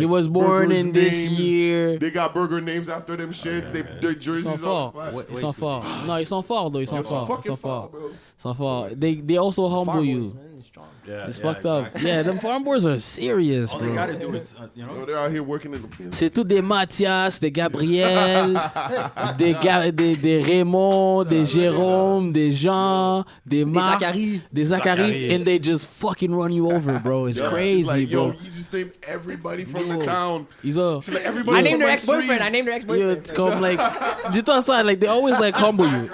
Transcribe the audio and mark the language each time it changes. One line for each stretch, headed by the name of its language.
English: he was born in this year. They got burger names after them shits. Okay. Their jerseys on fall. It's on fall. No, it's on fall, though. It's on fall. It's on fall. They also humble you. Yeah, it's fucked up. Yeah, them farm boys are serious, all bro. All they gotta do is, you know. No, they're out here working in the field.
French: C'est tout des Mathias, des Gabriel, des Raymond, des Jérôme, des Jean, des Marc. Des Zachary.
English: And they just fucking run you over, bro. It's crazy, like, bro. Yo, you just named everybody from the town. He's a, like, everybody I named her ex-boyfriend. It's called, like, it's like, they always, like, humble you.